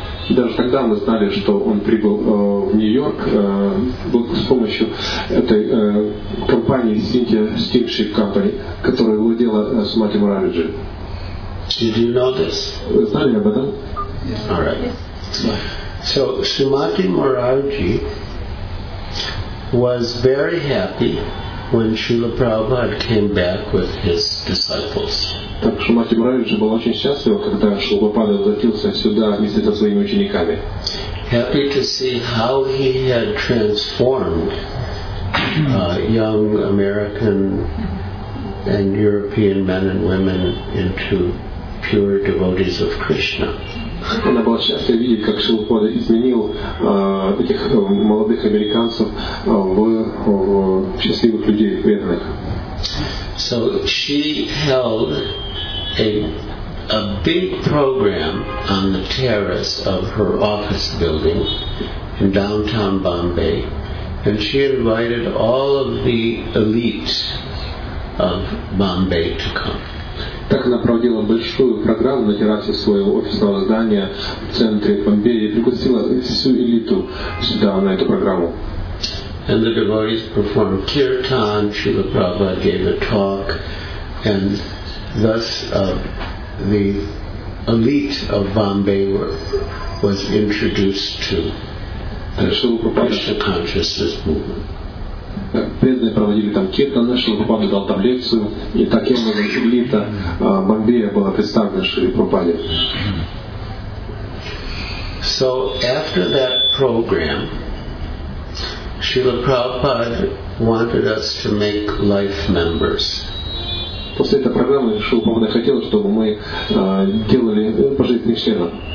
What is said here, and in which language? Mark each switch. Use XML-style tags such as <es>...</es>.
<ru>Даже тогда мы знали, что он прибыл в Нью-Йорк с помощью этой компании Steamship Company, которая владела Сумати Мурарджи.</ru> <en>Did you know this?</en> <ru>Вы знали об этом?</ru> <en>Yes. All right. Yes. So Sumati Morarji was very happy when Srila Prabhupada came back with his disciples.</en> <ru>Так Шумати Мурарджи был очень счастлив, когда Шрила Прабхупада возвратился сюда вместе со своими учениками.</ru> <en>Happy to see how he had transformed young American and European men and women into pure devotees of Krishna.</en> <ru>Она была счастлива видеть, как Шилупада изменил этих молодых американцев в счастливых людей преданных.</ru> <en>So she held a big program on the terrace of her office building in downtown Bombay, and she invited all of the elite of Bombay to come.</en> <ru>Так она проводила большую программу на террасе своего офисного здания в центре Бомбея и пригласила всю элиту сюда, на эту программу.</ru> <en>And the devotees performed kirtan, Srila Prabhupada gave a talk, and thus the elite of Bombay was introduced to the Krishna consciousness movement.</en> <ru>Преданные проводили там киртаны, Шрила Прабхупада дал там лекцию, и таким образом элита Бомбея была представлена Шрила Прабхупаде.</ru> <en>So after that program, Шрила Прабхупада wanted us to make life members.</en> <ru>После этой программы Шрила Прабхупада хотел, чтобы мы делали пожизненных членов.</ru>